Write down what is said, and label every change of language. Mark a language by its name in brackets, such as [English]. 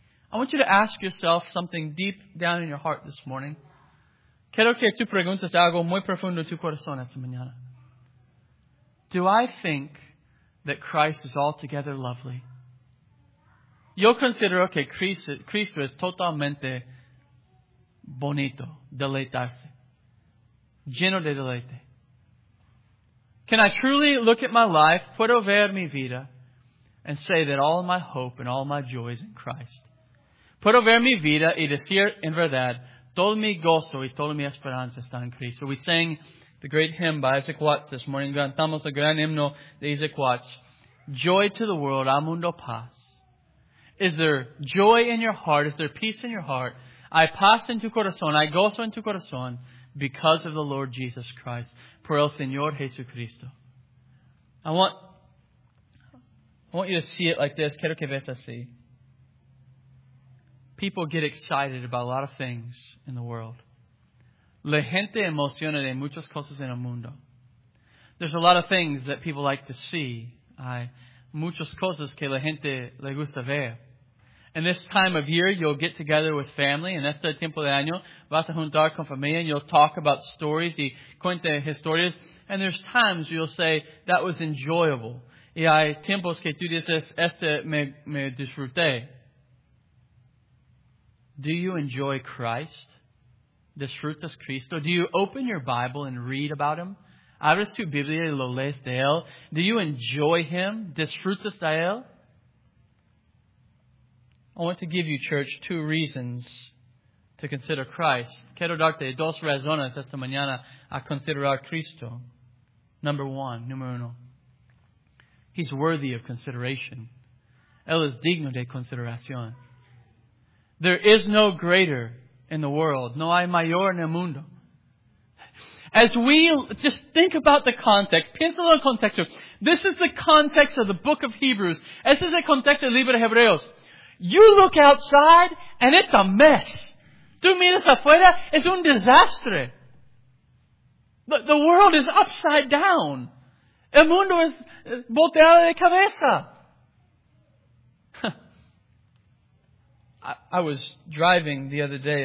[English] I want you to ask yourself something deep down in your heart this morning. [Spanish] Quiero que tú preguntes algo muy profundo en tu corazón esta mañana. [English] Do I think that Christ is altogether lovely? [Spanish] Yo considero que Cristo es totalmente bonito, deleitarse, lleno de deleite. [English] Can I truly look at my life, [Spanish] puedo ver mi vida, [English] and say that all my hope and all my joy is in Christ? [Spanish] Puedo ver mi vida y decir, en verdad, todo mi gozo y toda mi esperanza está en Cristo. [English] We sang the great hymn by Isaac Watts this morning. [Spanish] Cantamos el gran himno de Isaac Watts. [English] Joy to the world, [Spanish] al mundo paz. [English] Is there joy in your heart? Is there peace in your heart? [Spanish] Hay paz en tu corazón, hay gozo en tu corazón, [English] because of the Lord Jesus Christ. [Spanish] Por el Señor Jesucristo. [English] I want you to see it like this. [Spanish] Quiero que veas así. [English] People get excited about a lot of things in the world. [Spanish] La gente emociona de muchas cosas en el mundo. [English] There's a lot of things that people like to see. [Spanish] Hay muchas cosas que la gente le gusta ver. [English] And this time of year, you'll get together with family. [Spanish] En este tiempo de año, vas a juntar con familia [English] and you'll talk about stories [Spanish] y cuente historias. [English] And there's times you'll say, that was enjoyable. [Spanish] Y hay tiempos que tú dices, este me disfruté. [English] Do you enjoy Christ? [Spanish] Disfrutas Cristo? [English] Do you open your Bible and read about Him? [Spanish] Abres tu Biblia y lo lees de él. [English] Do you enjoy him? [Spanish] Disfrutas de él? [English] I want to give you, church, two reasons to consider Christ. [Spanish] Quiero darte dos razones esta mañana a considerar Cristo. Número uno. [English] He's worthy of consideration. [Spanish] Él es digno de consideración. [English] There is no greater in the world. [Spanish] No hay mayor en el mundo. [English] As we just think about the context, [Spanish] piénsalo en contexto. [English] This is the context of the book of Hebrews. [Spanish] Este es el contexto del libro de Hebreos. [English] You look outside and it's a mess. [Spanish] Tú miras afuera, es un desastre. [English] The world is upside down. [Spanish] El mundo es volteado de cabeza. [English] I was driving the other day.